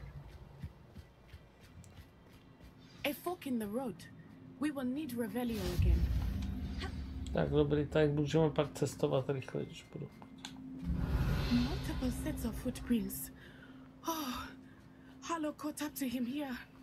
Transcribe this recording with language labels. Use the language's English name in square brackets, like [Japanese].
[English] Revelio. A fork in the road. We will need Revelio again. [Czech] Tak dobrý, tak můžeme pak cestovat rychle, když budu. [English] Multiple sets of footprints. Oh, Harlow caught up to him here.